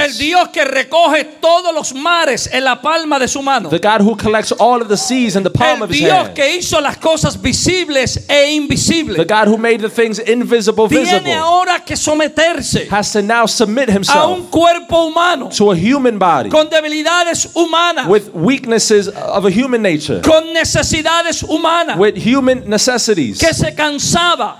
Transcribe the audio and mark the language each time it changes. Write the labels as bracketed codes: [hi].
[es] El Dios que recoge todos los mares en la palma de su mano. [en] The God who collects all of the seas in the palm of his hand. [es] El Dios que hizo las cosas visibles e invisibles. [en] The God who made the things invisible visible. [es] Tiene ahora que someterse. [en] Has to now submit himself. [es] A un cuerpo humano. [en] To a human body. [es] Con debilidades humanas. [en] With weaknesses of a human nature. [es] Con necesidades humanas. [en] With human necessities. [es] Que se cansaba.